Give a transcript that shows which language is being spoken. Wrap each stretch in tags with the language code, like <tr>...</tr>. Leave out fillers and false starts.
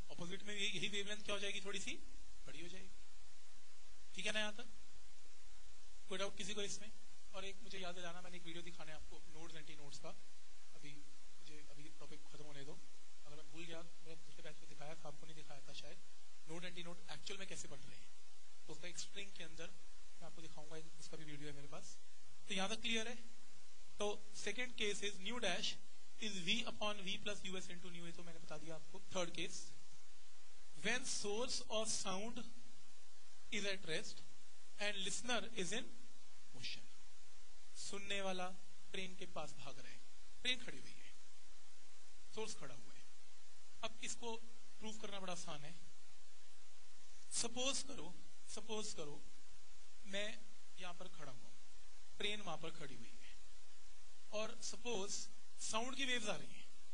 <ur>Opposite میں یہی wave length کیا ہو جائے گی, تھوڑی سی بڑی ہو جائے گی, ٹھیک ہے نا. یہاں تک کوئی ڈاؤٹ کسی کو اس میں؟ اور ایک مجھے یاد دلانا, میں نے ایک ویڈیو دکھانا ہے آپ کو نوٹس اینٹی نوٹس کا, ابھی مجھے ابھی ٹاپک ختم ہونے دو. اگر میں بھول گیا میں دوسرے بیچ میں دکھایا تھا آپ کو, نہیں دکھایا تھا شاید, نوٹ اینٹی نوٹ ایکچوئل میں کیسے پڑھ رہے ہیں تو اس کا ایک اسٹرنگ کے اندر میں آپ کو دکھاؤں گا, اس کا بھی ویڈیو ہے میرے پاس. تو یہاں تک کلیئر ہے؟ تو</ur> <en>second case is new dash is we upon we plus U S into new A,</en> <ur>تو میں نے بتا دیا آپ کو.</ur> <en>third case, when source of sound is at rest and listener is in motion,</en> <ur>سننے والا ٹرین کے پاس بھاگ رہے ہیں, ٹرین کھڑی ہوئی ہے, سورس کھڑا ہوا ہے. اب اس کو پروف کرنا بڑا آسان ہے. سپوز کرو میں یہاں پر کھڑا ہوں, ٹرین وہاں پر کھڑی ہوئی ہے, اور سپوز ساؤنڈ کی ویوز آ رہی ہیں.</ur>